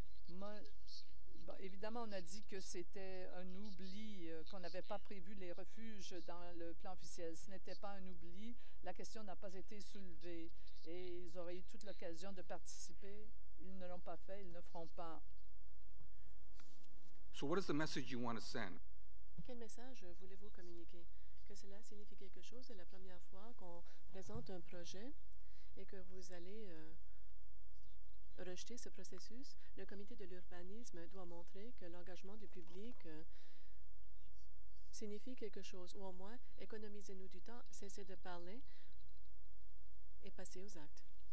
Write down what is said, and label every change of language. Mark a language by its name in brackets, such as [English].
[French] Bon, évidemment, on a dit que c'était un oubli, qu'on n'avait pas prévu les refuges dans le plan officiel. Ce n'était pas un oubli. La question n'a pas été soulevée. Et ils auraient eu toute l'occasion de participer. Ils ne l'ont pas fait. Ils ne feront pas. [English] So what is the message you want to send? [French] Quel message voulez-vous communiquer? Que cela signifie quelque chose? C'est la première fois qu'on présente un projet et que vous allez rejeter ce processus. Le comité de l'urbanisme doit montrer que l'engagement du public signifie quelque chose, ou au moins, économisez-nous du temps, cessez de parler et passez aux actes.